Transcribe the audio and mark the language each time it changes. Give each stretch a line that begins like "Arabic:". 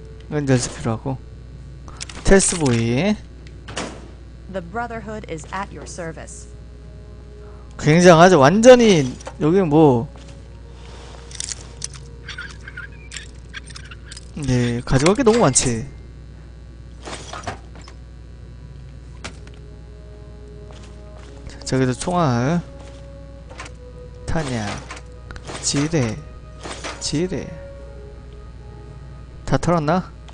Korean: 연결수 필요하고 테스트 보이.
English: The Brotherhood is at your service.
Korean: 굉장하죠. 완전히 여기 뭐 네, 가져갈 게 너무 많지. 자, 저기서 총알 탄약 지뢰 다 털었나?